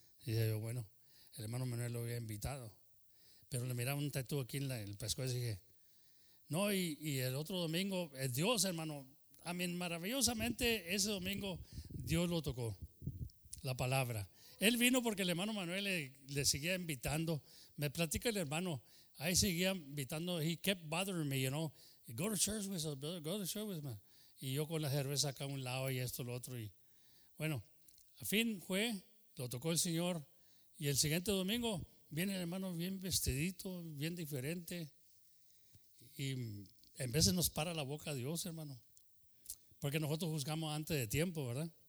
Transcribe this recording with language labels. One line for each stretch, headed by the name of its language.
Spanish: Y dije yo, bueno, el hermano Manuel lo había invitado, pero le miraba un tattoo aquí en el pescuezo, dije, no. Y el otro domingo, Dios, hermano, a mí maravillosamente ese domingo Dios lo tocó, la palabra. Él vino porque el hermano Manuel le seguía invitando. Me platica el hermano, ahí seguía invitando.
English: He kept bothering me, you know, go to church with us, brother, go to church with me.
Spanish: Y yo con la cerveza acá a un lado y esto, lo otro. Y bueno, a fin fue, lo tocó el Señor. Y el siguiente domingo viene el hermano bien vestidito, bien diferente. Y en veces nos para la boca Dios, hermano, porque nosotros juzgamos antes de tiempo, ¿verdad?